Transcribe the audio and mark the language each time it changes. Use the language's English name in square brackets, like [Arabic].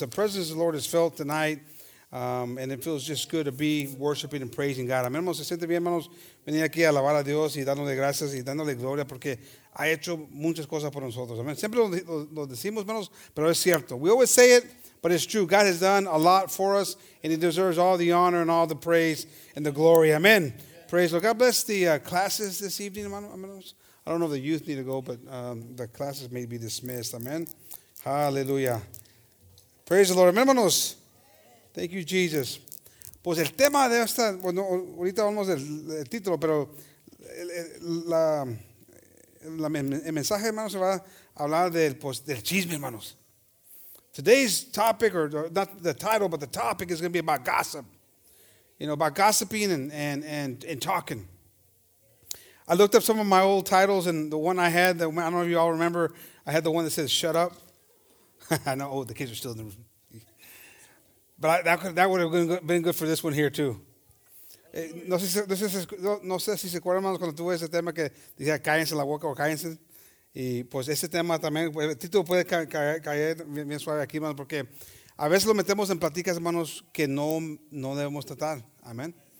[English] The presence of the Lord is felt tonight. And it feels just good to be worshiping and praising God. [Spanish] Amén, hermanos, se siente bien, hermanos, venir aquí a alabar a Dios y dándole gracias y dándole gloria porque ha hecho muchas cosas por nosotros. Amén. Siempre lo decimos, hermanos, pero es cierto. [English] We always say it, but it's true. God has done a lot for us, and he deserves all the honor and all the praise and the glory. Amén. Yeah. Praise the Lord. God bless the classes this evening, hermanos. I don't know if the youth need to go, but the classes may be dismissed. Amén. Hallelujah. Praise the Lord. Amén, hermanos. Thank you, Jesus. [Spanish] Pues el tema de esta, bueno, ahorita vamos del título, pero el mensaje, hermanos, se va a hablar del chisme, hermanos. [English] Today's topic, or not the title, but the topic is going to be about gossip. You know, about gossiping and talking. I looked up some of my old titles, and the one I had, I don't know if you all remember, I had the one that says, shut up. I know, the kids are still in the room. But that would have been good for this one here, too. [Spanish] No sé si se acuerdan, hermanos, cuando tuve ese tema que decía cállense la boca o cállense. Y pues ese tema también, el título puede caer bien suave aquí, hermanos, porque a veces lo metemos en pláticas, hermanos, que no debemos tratar. Amén.